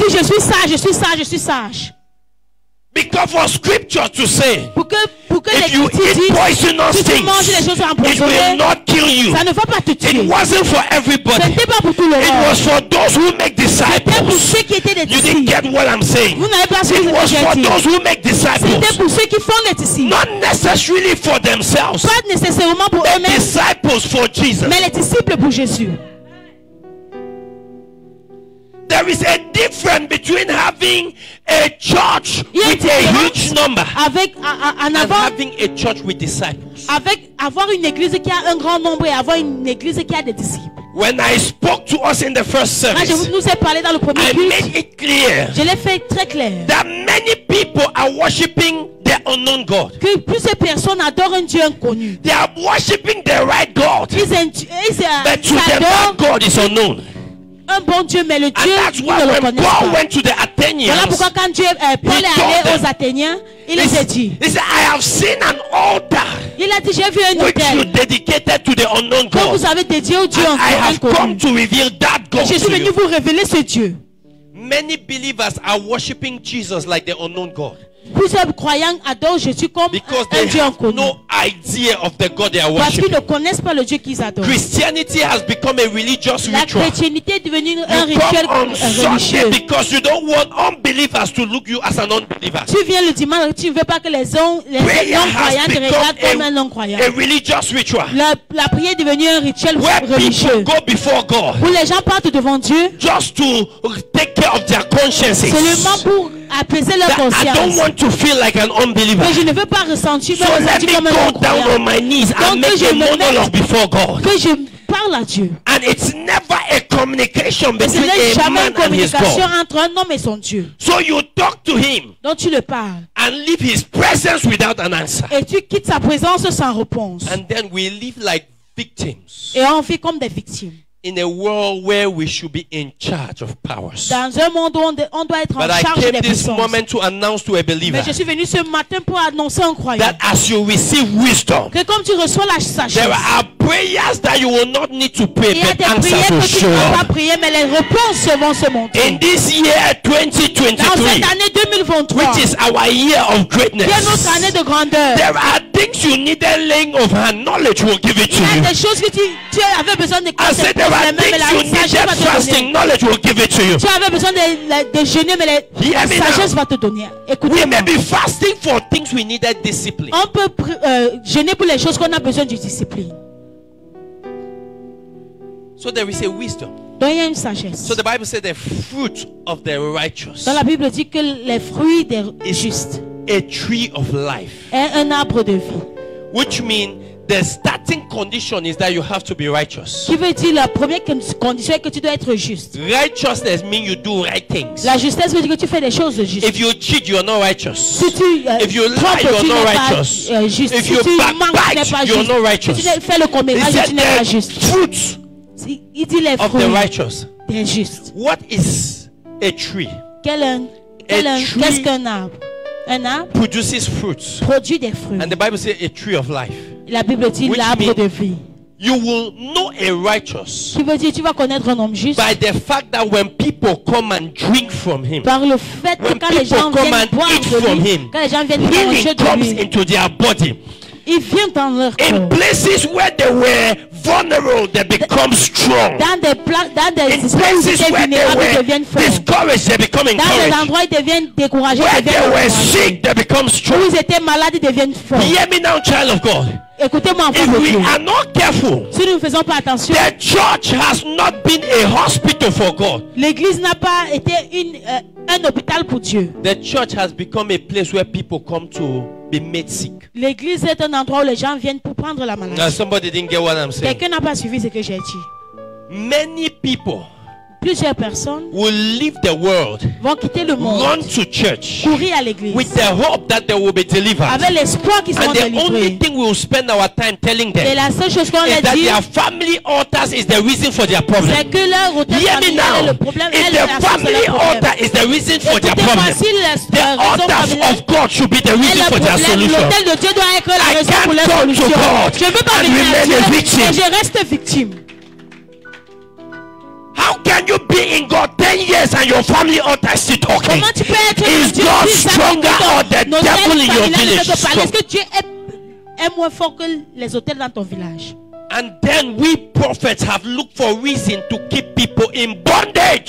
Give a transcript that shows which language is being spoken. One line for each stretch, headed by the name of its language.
French: Et dit, je suis sage. Je suis sage. Je suis sage.
English: Because for scripture to say,
French: pour que
English: if you eat poisonous things, it will not kill you.
French: Ça ne va pas te tuer.
English: It wasn't for everybody.
French: C'était pas pour tout le monde.
English: It was for those who make disciples.
French: C'était pour ceux qui étaient des
English: disciples. You didn't get what I'm saying.
French: Vous n'avez pas ce
English: que je dis. It was for those who make disciples.
French: C'était pour ceux qui font des disciples.
English: Not necessarily for themselves.
French: Pas nécessairement pour eux-mêmes.
English: Disciples for Jesus.
French: Mais les disciples pour Jésus.
English: There is a difference between having a church with a huge number and having a church with disciples.
French: Avec avoir une église qui a un grand nombre et avoir une église qui a des disciples.
English: When I spoke to us in the first service,
French: nous ai parlé dans le premier culte,
English: made it clear,
French: je l'ai fait très clair
English: that many people are worshiping the unknown God.
French: Que plus de personnes adorent un Dieu inconnu.
English: They are worshiping the right God. But to them, that God is unknown.
French: Un bon Dieu, mais le Dieu qui ne le connaît pas. Voilà pourquoi quand Dieu Paul est allé aux Athéniens, il les a dit.
English: He said, I have seen an altar.
French: Il a dit, j'ai vu un
English: autel. You dedicated to the unknown God.
French: Vous avez dédié au Dieu
English: inconnu. I have come to reveal that God.
French: Je suis venu vous révéler ce Dieu.
English: Many believers are worshiping Jesus like the unknown God.
French: Plusieurs croyants adorent Jésus comme un Dieu inconnu.
English: Because they have no idea of the God they are worshiping.
French: Parce qu'ils ne connaissent pas le Dieu qu'ils adorent.
English: Christianity has become a religious ritual.
French: La chrétienté est devenue un rituel religieux.
English: Because you don't want unbelievers to look you as an unbeliever.
French: Tu viens le dimanche, tu ne veux pas que les non-croyants te regardent comme un non-croyant.
English: A religious ritual.
French: La prière est devenue un rituel religieux.
English: Where people go before God.
French: Où les gens partent devant Dieu.
English: Just to take care of their consciences.
French: Seulement pour apaiser leur conscience.
English: I don't want to feel like an unbeliever.
French: Mais je ne veux pas ressentir
English: so let me go down on my knees and make a monologue before God.
French: Que je parle à Dieu.
English: And it's never a communication between a man and his God.
French: Entre un homme et son Dieu.
English: So you talk to him.
French: Donc tu le parles.
English: And leave his presence without an answer.
French: Et tu quittes sa présence sans réponse.
English: And then we live like victims.
French: Et on vit comme des victimes.
English: In a world where we should be in charge of powers.
French: Dans un monde où on doit être
English: but
French: en charge
English: I came
French: des
English: this
French: puissances.
English: Moment to announce to a believer.
French: Mais je suis venu ce matin pour annoncer un croyant.
English: That as you receive wisdom.
French: Que comme tu reçois la sagesse.
English: There are prayers that you will not need to pray, but answers will show up.
French: Tu ne vas pas prier, mais les réponses vont se montrer.
English: In this year 2023.
French: Dans cette année 2023.
English: Which is our year of greatness.
French: Qui est notre année de grandeur.
English: There are things you need a laying of hand. Knowledge will give it to you.
French: Il y a des choses que tu avais besoin de connaître.
English: There are things you need that fasting knowledge will give it to you.
French: Tu avais besoin de jeûner, mais la sagesse va te donner. Écoute-moi.
English: We may be fasting for things we needed discipline.
French: On peut jeûner pour les choses qu'on a besoin de discipline.
English: So there is a wisdom.
French: Donc il y a une sagesse.
English: So the Bible says the fruit of the righteous.
French: Dans la Bible dit que les fruits des justes.
English: A tree of life.
French: Est un arbre de vie.
English: Which means the starting condition is that you have to be righteous.
French: Qui veut dire la première condition est que tu dois être juste.
English: Righteousness means you do right things.
French: La justesse veut dire que tu fais des choses justes.
English: If you cheat, you are not righteous.
French: Si tu,
English: if you lie,
French: trompe,
English: you are not righteous.
French: Juste.
English: If you backbite, you are not righteous.
French: Si tu fais le commérage, tu n'es pas juste.
English: Fruit.
French: Il dit les fruits
English: of the righteous.
French: Des justes.
English: What is a tree?
French: Qu'est-ce qu'un arbre? Un arbre
English: produces fruits.
French: Produit des fruits.
English: And the Bible says a tree of life.
French: La Bible dit
English: which
French: l'arbre de vie.
English: You will know a righteous.
French: Qui veut dire tu vas connaître un homme juste.
English: By the fact that when people come and drink from him.
French: Par le fait que quand les gens viennent boire de lui,
English: him,
French: quand les gens viennent manger de lui,
English: comes into their body.
French: Il vient dans leur corps.
English: In places where they were vulnerable, they become strong.
French: Dans des endroits où ils deviennent forts.
English: Where they were sick, they become strong.
French: Où ils étaient malades, ils deviennent forts.
English: Hear me now, child of God.
French: Écoutez-moi,
English: if we are not careful,
French: si nous ne faisons pas attention,
English: the church has not been a hospital for God.
French: L'église n'a pas été une, un hôpital pour Dieu.
English: The church has become a place where people come to be made sick.
French: L'église est un endroit où les gens viennent pour prendre la maladie.
English: Now, somebody didn't get what I'm saying.
French: Quelqu'un n'a pas suivi ce que j'ai dit.
English: Many people,
French: plusieurs personnes,
English: will leave the world,
French: vont quitter le monde,
English: run to church,
French: courir à l'église,
English: with the hope that they will be delivered,
French: avec l'espoir qu'ils seront délivrés.
English: And the only thing we will spend our time telling them,
French: et la seule chose qu'on
English: is that
French: dit,
English: their family altars is the reason for their problem.
French: C'est que leur hôtel familial le problème.
English: If their family altar is the reason for their problem, the altar of God should be the reason for their solution.
French: L'hôtel de Dieu doit être la raison pour leur solution. Je ne veux pas venir à Dieu et je reste victime.
English: How can you be in God 10 years and your family altar is still talking? Is God stronger or the devil in your village? And then we prophets have looked for reason to keep people in bondage.